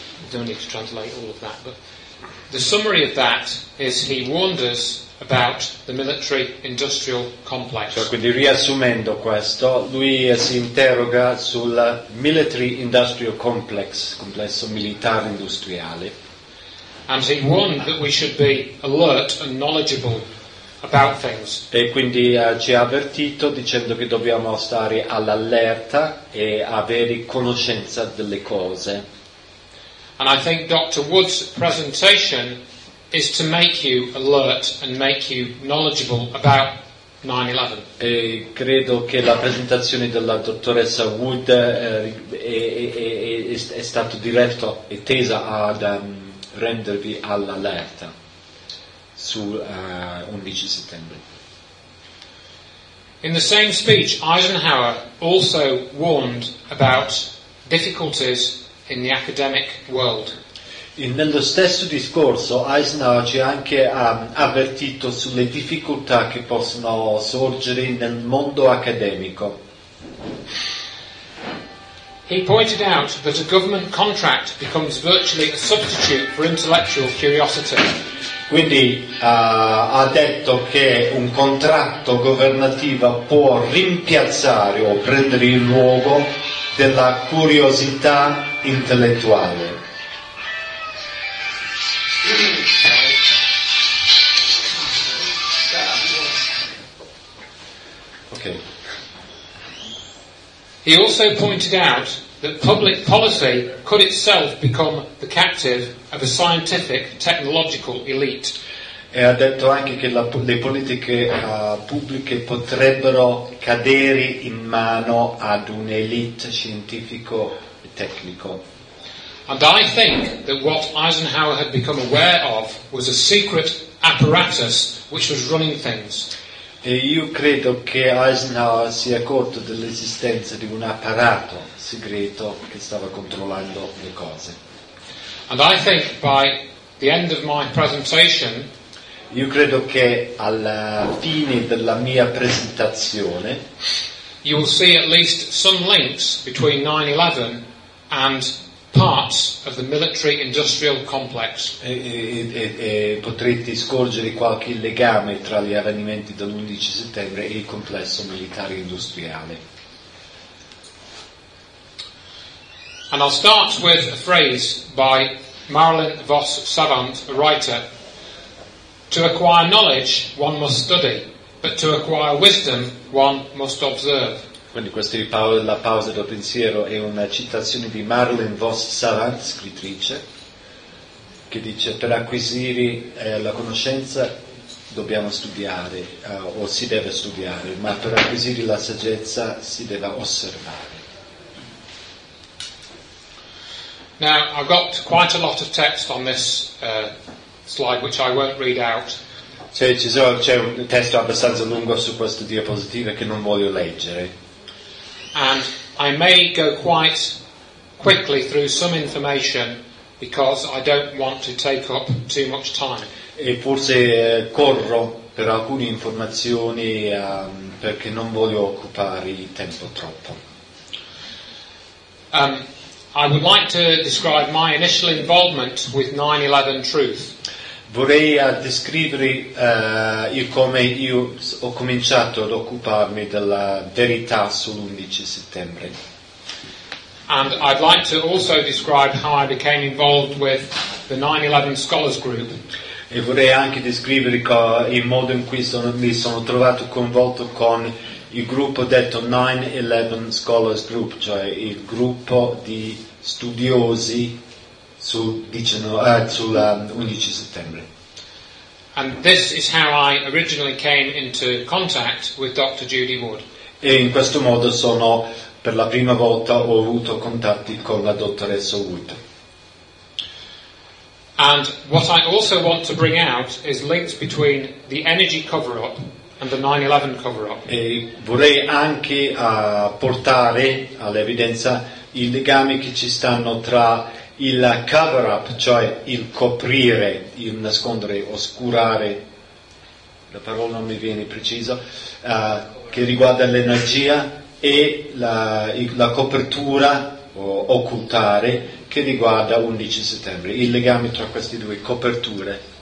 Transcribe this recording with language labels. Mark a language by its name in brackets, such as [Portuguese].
[English] Don't need to translate all of that, but the summary of that is he warned us about the military-industrial complex. [Italian] Cioè, quindi riassumendo questo, lui si interroga sul military-industrial complex, complesso militare-industriale. [English] And he warned that we should be alert and knowledgeable about things. [Italian] E quindi ci ha avvertito dicendo che dobbiamo stare all'allerta e avere conoscenza delle cose. [English] And I think Dr. Wood's presentation is to make you alert and make you knowledgeable about 9/11. [Italian] E credo che la presentazione della dottoressa Wood è stato diretto e tesa ad rendervi all'allerta su 11 settembre. [English] In the same speech, Eisenhower also warned about difficulties in the academic world. [Italian] Nello stesso discorso Eisenhower ci ha anche avvertito sulle difficoltà che possono sorgere nel mondo accademico. [English] He pointed out that a government contract becomes virtually a substitute for intellectual curiosity. [Italian] Quindi ha detto che un contratto governativo può rimpiazzare o prendere il luogo della curiosità intellettuale. [English] Okay. He also pointed out that public policy could itself become the captive of a scientific technological elite. [Italian] E ha detto anche che le politiche pubbliche potrebbero cadere in mano ad un'elite scientifico e tecnico. [English] And I think that what Eisenhower had become aware of was a secret apparatus which was running things. [Italian] E io credo che Eisenhower si è accorto dell'esistenza di un apparato segreto che stava controllando le cose. [English] And I think by the end of my presentation, [Italian] io credo che alla fine della mia presentazione, [English] you will see at least some links between 9/11 and parts of the military-industrial complex. [Italian] Potrete scorgere qualche legame tra gli avvenimenti dell'11 settembre e il complesso militare-industriale. [English] And I'll start with a phrase by Marilyn Vos Savant, a writer. To acquire knowledge, one must study, but to acquire wisdom, one must observe. [Italian] Quindi questa è la pausa del pensiero, è una citazione di Marilyn Vos Savant, scrittrice, che dice: per acquisire la conoscenza dobbiamo studiare, o si deve studiare, ma per acquisire la saggezza si deve osservare. [English] Now, I've got quite a lot of text on this slide, which I won't read out. [Italian] C'è un testo abbastanza lungo su questa diapositiva che non voglio leggere. [English] And I may go quite quickly through some information because I don't want to take up too much time. [Italian] E forse corro per alcune informazioni perché non voglio occupare il tempo troppo. [English] I would like to describe my initial involvement with 9/11 truth. [Italian] Vorrei descrivere come io ho cominciato ad occuparmi della verità sull'11 settembre. [English] And I'd like to also describe how I became involved with the 9/11 Scholars Group. [Italian] E vorrei anche descrivere il modo in cui mi sono trovato coinvolto con il gruppo detto 9/11 Scholars Group, cioè il gruppo di studiosi sulla 11 settembre. [English] And this is how I originally came into contact with Dr. Judy Wood. [Italian] E in questo modo sono per la prima volta ho avuto contatti con la dottoressa Wood. [English] And what I also want to bring out is links between the energy cover-up and the 9/11 cover-up. [Italian] E vorrei anche portare all'evidenza i legami che ci stanno tra il cover-up, cioè il coprire, il nascondere, oscurare, la parola non mi viene precisa, che riguarda l'energia, e la copertura, o occultare, che riguarda 11 settembre, il legame tra queste due coperture.